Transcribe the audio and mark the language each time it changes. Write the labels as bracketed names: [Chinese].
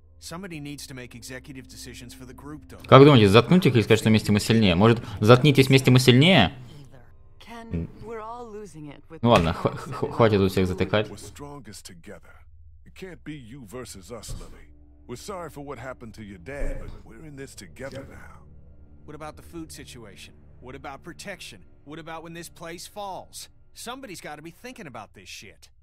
[English] Somebody needs to make executive decisions for the group, Doug. [Russian] Как думаете, заткнуть их или сказать, что вместе мы сильнее? Может, заткнитесь, вместе мы сильнее? [English] Ken, [Russian] ну ладно, хватит тут всех затыкать. [English] We're strongest together. It can't be you versus us, Lily. We're sorry for what happened to your dad, but we're in this together now. What about the food situation? What about protection? What about when this place falls? Somebody's got to be thinking about this shit.